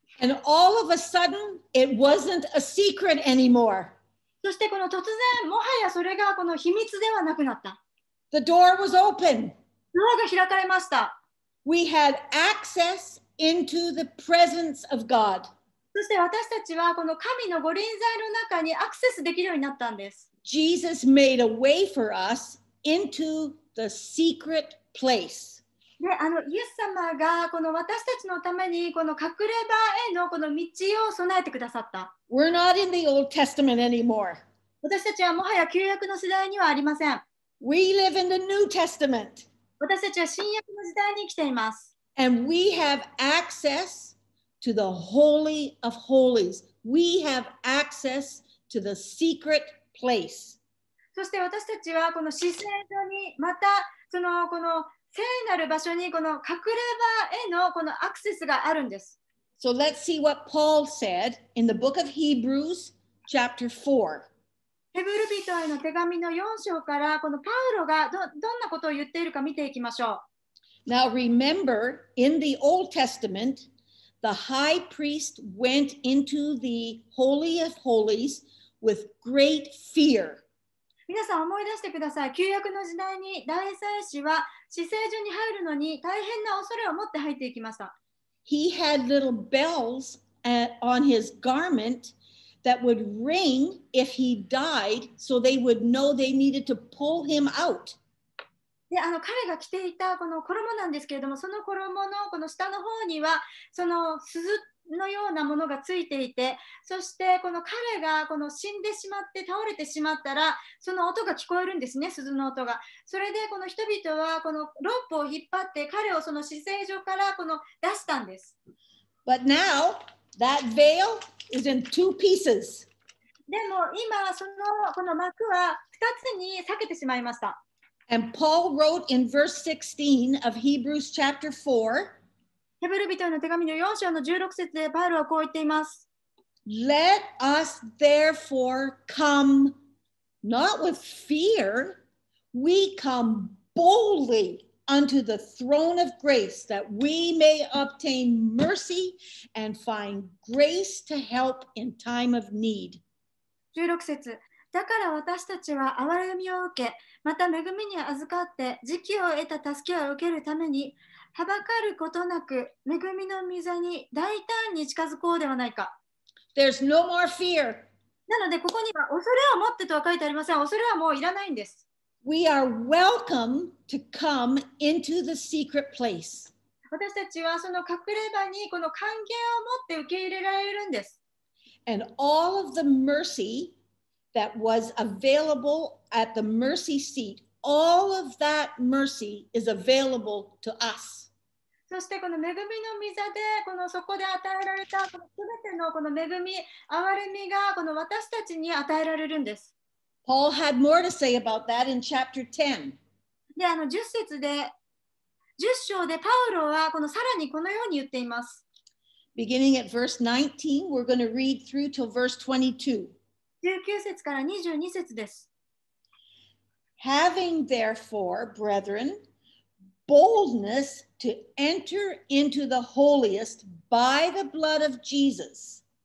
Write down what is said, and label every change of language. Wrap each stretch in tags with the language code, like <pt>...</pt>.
<en>And all of a sudden, it wasn't a secret anymore.</en> <ja>そしてこの突然、もはやそれがこの秘密ではなくなった。</ja> <en>The door was open.</en> <ja>ドアが開かれました。</ja> <en>We had access into the presence of God.</en> <ja>そして私たちはこの神のご臨在の中にアクセスできるようになったんです。</ja> <en>Jesus made a way for us into the secret place.</en> <ja>で、イエス様がこの私たちのためにこの隠れ場へのこの道を備えてくださった。</ja> <en>We're not in the Old Testament anymore.</en> <ja>私たちはもはや旧約の時代にはありません。</ja> <en>We live in the New Testament.</en> <ja>私たちは新約の時代に生きています。</ja> <en>And we have access. To the Holy of Holies. We have access to the secret place.</en> <ja>そして私たちはこの至聖所にまたそのこの聖なる場所にこの隠れ場へのこのアクセスがあるんです。</ja> <en>So let's see what Paul said in the book of Hebrews, chapter 4.</en> <ja>ヘブル人への手紙の4章からこのパウロがどんなことを言っているか見ていきましょう。</ja> <en>Now remember, in the Old Testament,The high priest went into the Holy of Holies with great fear.</en> <ja>皆さん思い出してください。旧約の時代に大祭司は至聖所に入るのに大変な恐れを持って入っていきました。</ja> <en>He had little bells on his garment that would ring if he died, so they would know they needed to pull him out.</en> <ja>で彼が着ていたこの衣なんですけれども、その衣のこの下の方にはその鈴のようなものがついていて、そしてこの彼がこの死んでしまって倒れてしまったら、その音が聞こえるんですね、鈴の音が。それでこの人々はこのロープを引っ張って彼をその死生所からこの出したんです。</ja> <en>But now that veil is in two pieces.</en> <ja>でも今そのこの幕は二つに裂けてしまいました。</ja> <en>And Paul wrote in verse 16 of Hebrews chapter 4,</en> <ja>ヘブル人への手紙の4章の16節でパウロはこう言っています。</ja> <en>Let us therefore come, not with fear, we come boldly unto the throne of grace, that we may obtain mercy and find grace to help in time of need.</en> <ja>16節。だから私たちは憐れみを受け、また恵みに預かって、時期を得た助けを受けるために、はばかることなく、恵みの溝に大胆に近づこうではないか。</ja> <en>There's no more fear.</en> <ja>なので、ここには恐れを持ってとは書いてありません。恐れはもういらないんです。</ja> <en>We are welcome to come into the secret place.</en> <ja>私たちはその隠れ場にこの歓迎を持って受け入れられるんです。</ja> <en>And all of the mercy. That was available at the mercy seat. All of that mercy is available to us.</en> <ja>そしてこの恵みの溝でこのそこで与えられたこの全てのこの恵み、憐れみがこの私たちに与えられるんです。</ja> <en>Paul had more to say about that in chapter 10.</en> <ja>で、10節で、10章でパウロはこのさらにこのように言っています。</ja> <en>Beginning at verse 19, we're going to read through to verse 22.</en> <ja>19節から22節です。</ja> <en>Having therefore, brethren, boldness to enter into the holiest by the blood of Jesus.</en>